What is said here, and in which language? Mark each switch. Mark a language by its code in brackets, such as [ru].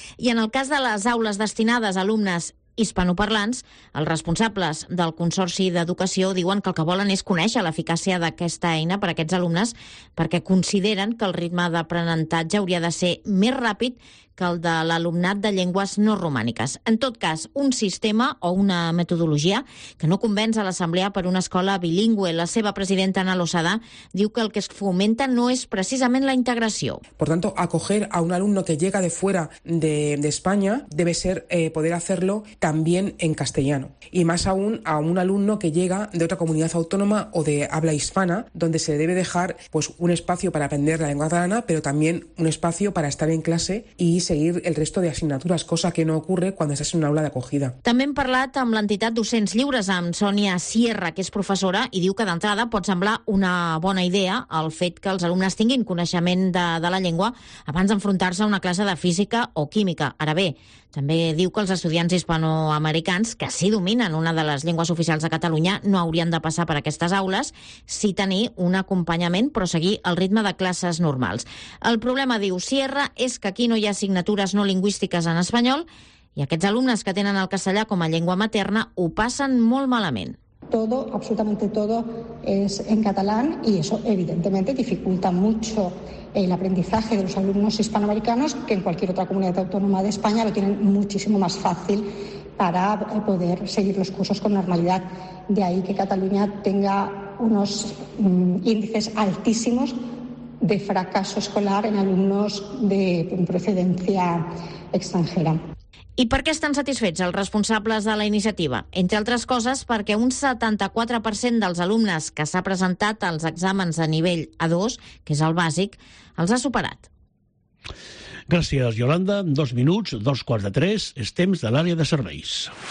[ca] I en el cas de les aules destinades a alumnes hispanoparlants, els responsables del Consorci d'Educació diuen que el que volen és conèixer l'eficàcia d'aquesta eina per a aquests alumnes, perquè consideren que el ritme d'aprenentatge hauria de ser més ràpid que el de l'alumnat de llengües no romàniques. En tot cas, un sistema o una metodologia que no convenç a l'Assemblea per una escola bilingüe. La seva presidenta, Ana Losada, diu que el que es fomenta no és precisament la integració. [es] Por tanto, acoger a un alumno que llega de fuera de España debe ser poder hacerlo también en castellano. Y más aún a un alumno que llega de otra comunidad autónoma o de habla hispana, donde se debe dejar pues, un espacio para aprender la lengua catalana, pero también un espacio para estar en clase y seguir el resto de asignaturas, cosa que no ocurre cuando estás en una aula de acogida. [ca] També hem parlat amb l'entitat Docents Lliures, amb Sònia Sierra, que és professora, i diu que d'entrada pot semblar una bona idea el fet que els alumnes tinguin coneixement de la llengua abans d'enfrontar-se a una classe de física o química. Ara bé, també diu que els estudiants hispanoamericans, que sí dominen una de les llengües oficials de Catalunya, no haurien de passar per aquestes aules si tenir un acompanyament, però seguir el ritme de classes normals. El problema, diu Sierra, és que aquí no hi ha assignatures no lingüístiques en espanyol i aquests alumnes que tenen el castellà com a llengua materna ho passen molt malament. [es] Todo, absolutamente todo, es en catalán y eso evidentemente dificulta mucho el aprendizaje de los alumnos hispanoamericanos, que en cualquier otra comunidad autónoma de España lo tienen muchísimo más fácil para poder seguir los cursos con normalidad. De ahí que Cataluña tenga unos índices altísimos de fracaso escolar en alumnos de procedencia extranjera. [ca] I per què estan satisfets els responsables de la iniciativa? Entre altres coses, perquè un 74% dels alumnes que s'ha presentat als exàmens de nivell A2, que és el bàsic, els ha superat. Gràcies, Yolanda. 2:45, és temps de l'àrea de serveis.